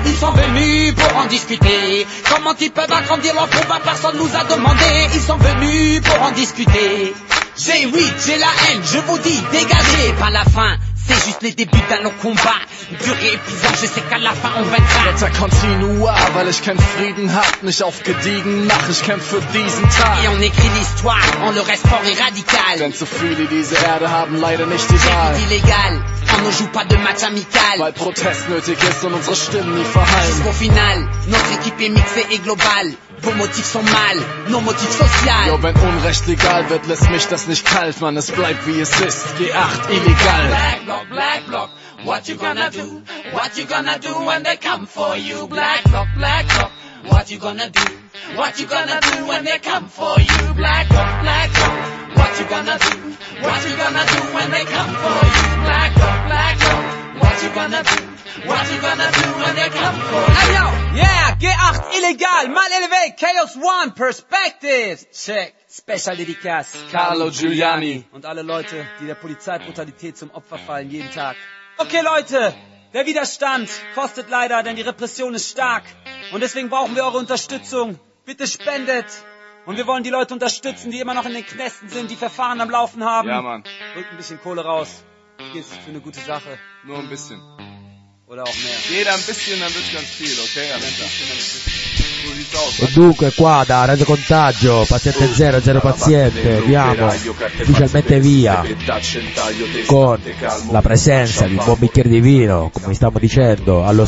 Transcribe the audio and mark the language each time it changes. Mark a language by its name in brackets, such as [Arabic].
[French] Ils sont venus pour en discuter. Comment ils peuvent agrandir leur pouvoir, personne nous a demandé. Ils sont venus pour en discuter. J'ai oui, j'ai la haine, je vous dis, dégagez. Pas la fin, c'est juste les débuts d'un long combat. Dur et épuisant, je sais qu'à la fin on vaincra. [German] Weiter continua, weil ich keinen Frieden hab, nicht aufgediegen mach, ich kämpfe für diesen Tag. [French] Et on écrit l'histoire, on le reste fort et radical. [German] Denn zu viele diese Erde haben leider nicht die Wahl. [French] C'est illégal. On ne joue pas de match amical. [German] Weil Protest nötig ist und unsere Stimmen nie verhallen. [French] Jusqu'au final, notre équipe est mixée et globale. Vos motifs sont mal, nos motifs sociaux. [German] Yo, wenn Unrecht legal wird, lässt mich das nicht kalt. Man, es bleibt wie es ist, G8 illegal. [English] Black Block, Black Block, what you gonna do? What you gonna do when they come for you? Black Block, Black Block, what you gonna do? What you gonna do when they come for you? Black Block, Black Block, what you gonna do? What you gonna do when they come for you? Black Block, Black Block, what you gonna do? What you gonna do when they come for you? Hey yo, yeah, G8 illegal, mal élevé, Chaos One, Perspective, check, special dedicas, Carlo Giuliani, [German] und alle Leute, die der Polizeibrutalität zum Opfer fallen, jeden Tag. Okay Leute, der Widerstand kostet leider, denn die Repression ist stark, und deswegen brauchen wir eure Unterstützung, bitte spendet, und wir wollen die Leute unterstützen, die immer noch in den Knästen sind, die Verfahren am Laufen haben. Ja man. Drückt ein bisschen Kohle raus, geht's für eine gute Sache. Nur ein bisschen. Oder auch mehr. Jeder ein bisschen, dann wird ganz viel, ok? [Italian] Dunque qua da Radio Contagio, paziente zero, zero paziente, andiamo ufficialmente via con la presenza di un buon bicchiere di vino, come stiamo dicendo, allo